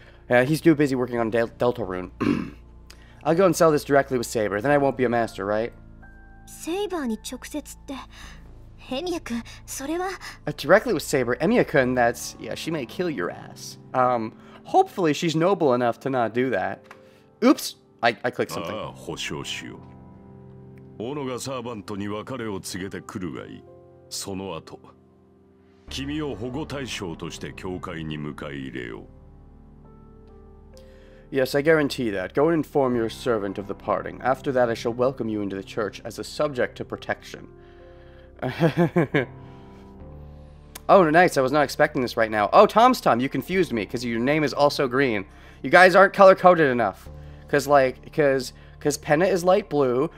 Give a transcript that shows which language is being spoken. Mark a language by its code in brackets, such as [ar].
[en] Yeah, he's too busy working on Deltarune. I'll go and sell this directly with Saber, then I won't be a master, right? Directly with Saber, Emiya-kun, that's... Yeah, she may kill your ass. Hopefully she's noble enough to not do that. Oops! I clicked something. Ah, [ja] 保証しよう. オノがサーバントに別れを告げてくるがいい.その後, 君を保護対象として教会に迎え入れよう. [en] Yes, I guarantee that. Go and inform your servant of the parting. After that, I shall welcome you into the church as a subject to protection. Oh, nice. I was not expecting this right now. Oh, Tom's Tom, you confused me because your name is also green. You guys aren't color-coded enough. Because Penna is light blue.